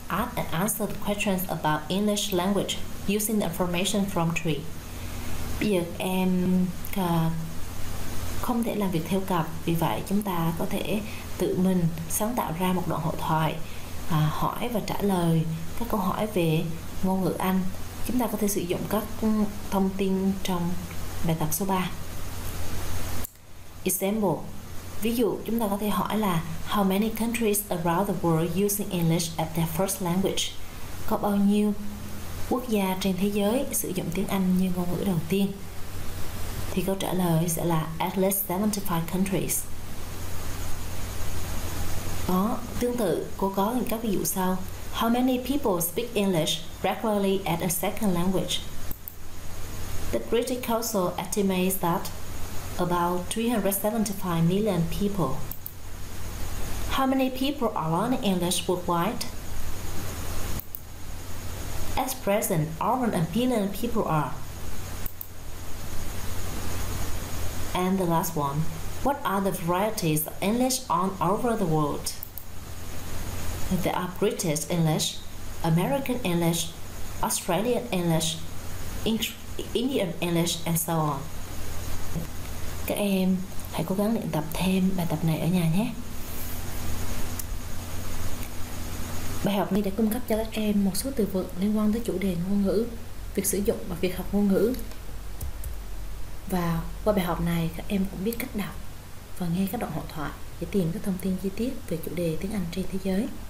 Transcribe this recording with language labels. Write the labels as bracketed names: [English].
[English] Ask and answer the questions about English language using the information from tree. [Vietnamese] Bây giờ em không thể làm việc theo cặp, vì vậy chúng ta có thể tự mình sáng tạo ra một đoạn hội thoại, hỏi và trả lời các câu hỏi về ngôn ngữ Anh. Chúng ta có thể sử dụng các thông tin trong bài tập số 3. [English] Example. [Vietnamese] Ví dụ, chúng ta có thể hỏi là [English] how many countries around the world using English as their first language? [Vietnamese] Có bao nhiêu quốc gia trên thế giới sử dụng tiếng Anh như ngôn ngữ đầu tiên? Thì câu trả lời sẽ là [English] at least 75 countries. [Vietnamese] Đó, tương tự, cô có những các ví dụ sau. [English] How many people speak English regularly as a second language? The British Council estimates that about 375 million people. How many people are learning English worldwide? At present, over 1 billion people are. And the last one, what are the varieties of English on over the world? There are British English, American English, Australian English, Indian English, and so on. [Vietnamese] Các em hãy cố gắng luyện tập thêm bài tập này ở nhà nhé. Bài học này đã cung cấp cho các em một số từ vựng liên quan tới chủ đề ngôn ngữ, việc sử dụng và việc học ngôn ngữ. Và qua bài học này, các em cũng biết cách đọc và nghe các đoạn hội thoại để tìm các thông tin chi tiết về chủ đề tiếng Anh trên thế giới.